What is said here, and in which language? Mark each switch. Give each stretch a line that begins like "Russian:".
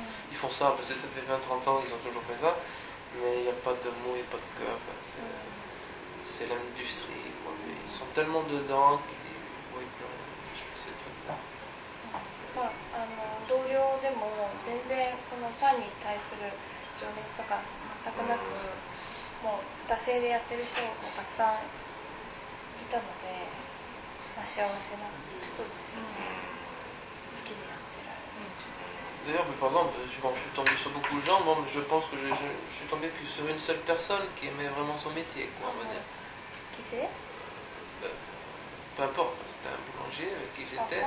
French: Ils font ça parce que ça fait 20-30 ans qu'ils ont toujours fait ça, mais il n'y a pas de mou et pas de cœur. Enfin, c'est l'industrie. Quoi. Ils sont tellement dedans qu'ils. Oui, c'est très bien.
Japanese: あの同僚でも全然そのファンに対する情熱とか全くなくもう惰性でやってる人もたくさんいたので、まあ、幸せなことですよね、うん、好きでやってる、
French: うん、D'ailleurs, par exemple, je suis tombé sur beaucoup de gens, bon, je pense que je suis tombé que sur une seule personne qui aimait vraiment son métier, quoi, on va dire. Qui c'est? Peu importe, c'était un boulanger avec qui j'étais.